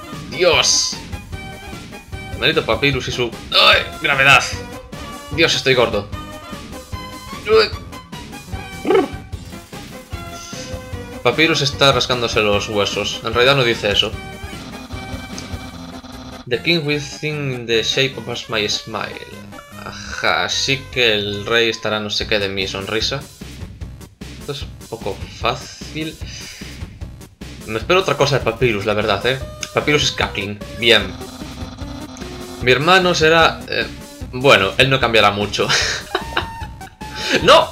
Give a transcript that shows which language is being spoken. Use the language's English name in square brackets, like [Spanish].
[Spanish] ¡Dios! Maldito Papyrus y su... ¡Ay! ¡Gravedad! ¡Dios, estoy gordo! ¡Uy! Papyrus está rascándose los huesos. En realidad no dice eso. [English] The king within the shape of my smile. [Spanish] Ajá, así que el rey estará no sé qué de mi sonrisa. Esto es un poco fácil. Me espero otra cosa de Papyrus, la verdad, ¿eh? Papyrus es cackling. Bien. Mi hermano será... bueno, él no cambiará mucho. ¡No!